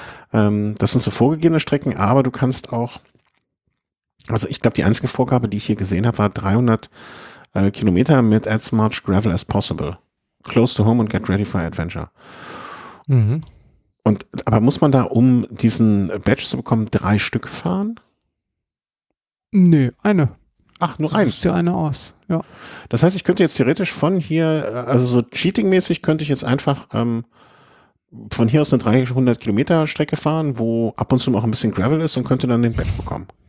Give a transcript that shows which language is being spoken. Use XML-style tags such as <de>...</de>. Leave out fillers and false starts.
<de>Das sind so vorgegebene Strecken, aber du kannst auch, also ich glaube, die einzige Vorgabe, die ich hier gesehen habe, war 300 Kilometer mit</de> <en>as much gravel as possible. Close to home and get ready for adventure. Mhm.</en> <de>Und aber muss man da, um diesen Badge zu bekommen, drei Stück fahren? Nee, eine. Ach, nur eins. Suchst dir eine aus, ja. Das heißt, ich könnte jetzt theoretisch von hier, also so cheatingmäßig könnte ich jetzt einfach von hier aus eine 300 Kilometer Strecke fahren, wo ab und zu auch ein bisschen Gravel ist und könnte dann den Badge bekommen.</de>